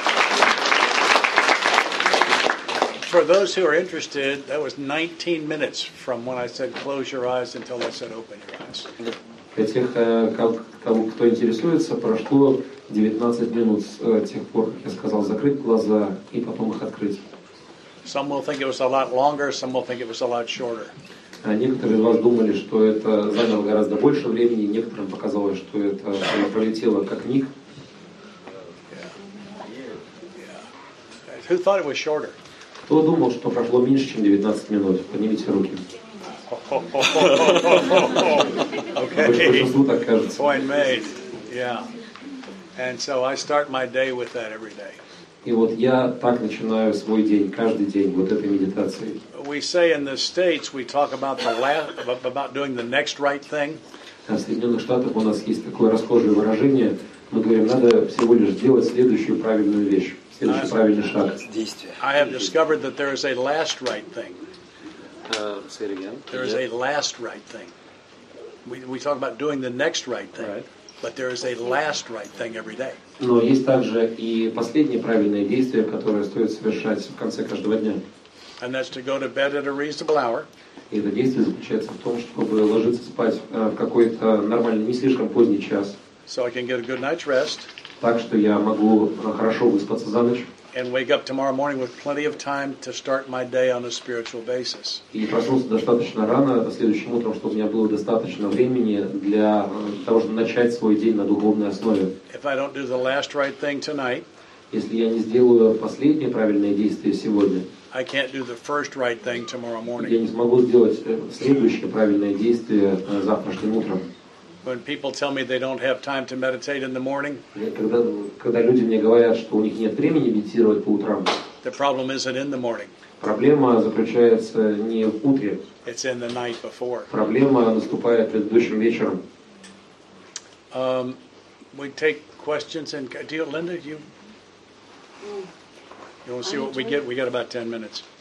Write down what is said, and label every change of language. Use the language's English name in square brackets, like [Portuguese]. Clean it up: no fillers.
[English] For those who are interested, that was 19 minutes from when I said close your eyes until I said open your eyes. [Russian] Для тех, кто интересуется, прошло 19 минут с тех пор, как я сказал закрыть глаза и потом их открыть. [English] Some will think it was a lot longer, some will think it was a lot shorter. [Russian] Некоторые из вас думали, что это заняло гораздо больше времени, некоторым показалось, что это пролетело как миг. [English] Who thought it was shorter? [Russian] Кто думал, что прошло меньше, чем 19 минут? Поднимите руки. Большинству так кажется. [English] Point made. Yeah. And so I start my day with that every day. [Russian] И вот я так начинаю свой день, каждый день, вот этой медитацией. [English] We say in the States, we talk about about doing the next right thing. [Russian] В Соединенных Штатах у нас есть такое расхожее выражение. Мы говорим, надо всего лишь сделать следующую правильную вещь. [English] I have discovered that there is a last right thing. Say it again. There is a last right thing. We talk about doing the next right thing, right. But there is a last right thing every day. [Russian] Но есть также и последнее правильное действие, которое стоит совершать в конце каждого дня. [English] And that's to go to bed at a reasonable hour. [Russian] И это действие заключается в том, чтобы ложиться спать в какой-то нормальный, не слишком поздний час. [English] So I can get a good night's rest. [Russian] Так что я могу хорошо выспаться за ночь. [English] And wake up tomorrow morning with plenty of time to start my day on a spiritual basis. [Russian] И проснуться достаточно рано следующим утром, чтобы у меня было достаточно времени для того, чтобы начать свой день на духовной основе. [English] If I don't do the last right thing tonight, [Russian] если я не сделаю последнее правильное действие сегодня, [English] I can't do the first right thing tomorrow morning. [Russian] Я не смогу сделать следующее правильное действие завтрашним утром. [English] When people tell me they don't have time to meditate in the morning, [Russian] когда люди мне говорят, что у них нет времени медитировать по утрам, [English] the problem isn't in the morning. [Russian] Проблема заключается не в утре. [English] It's in the night before. [Russian] Проблема наступает предыдущим вечером. [English] We take questions and Linda, you want to see what we get? We got about 10 minutes.